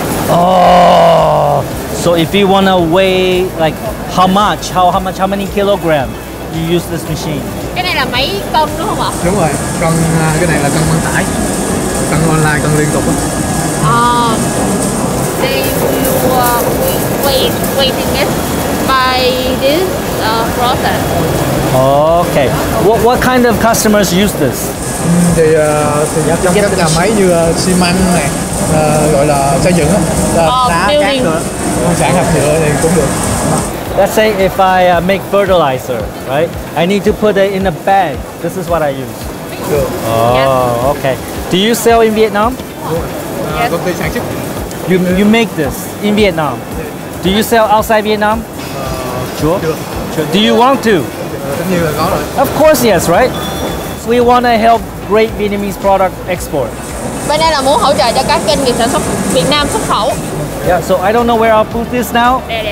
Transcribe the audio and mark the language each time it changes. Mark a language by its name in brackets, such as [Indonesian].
[English] Oh, so if you want to weigh, like, how much, how many kilograms you use this machine? [Vietnamese] Cái này là máy cân đúng không ạ? Đúng rồi, cái này là cân băng tải. Cân online, cân liên tục á. [English] They will weighing it by this process. Okay, what kind of customers use this? [Vietnamese] Thì trong các nhà máy như xi măng này, gọi là xây dựng á, đá cát nữa, công sản hạt nhựa thì cũng được. [English] Let's say if I make fertilizer, right? I need to put it in a bag. This is what I use. Sure. Okay. Do you sell in Vietnam? Yes. [Vietnamese] Công ty sản xuất. [English] You make this in Vietnam. Do you sell outside Vietnam? Sure. Do you want to? Of course, yes, right? We want to help great Vietnamese product export. [Vietnamese] Bên đây là muốn hỗ trợ cho các doanh nghiệp sản xuất Việt Nam xuất khẩu. [English] Yeah, so I don't know where our booth is now.